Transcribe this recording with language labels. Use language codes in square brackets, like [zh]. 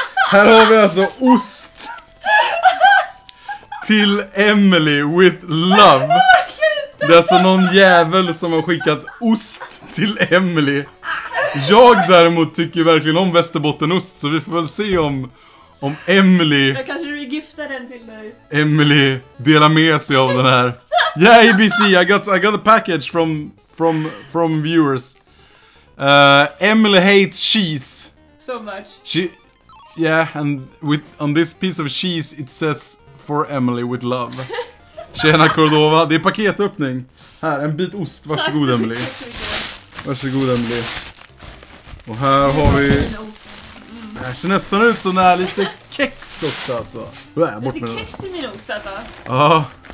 [sv] Här har vi alltså ost. Till Emily [en] with love. [sv] Det är alltså någon jävel som har skickat ost till Emily. Jag däremot tycker verkligen om västerbottenost, så vi får väl se om Emily... Jag kanske regiftar den till dig. Emily, dela med sig av den här. [en] Yeah, ABC, I got a package from viewers. Emily hates cheese. So much. She, yeah, and with on this piece of cheese it says for Emily with love. [sv] Tjena Cordova, det är paketöppning. Här, en bit ost, varsågod Emily. Varsågod Emily. Och här har vi... Det här ser nästan ut som det här, lite kex också alltså. Bort med lite kex till min ost alltså. Ja.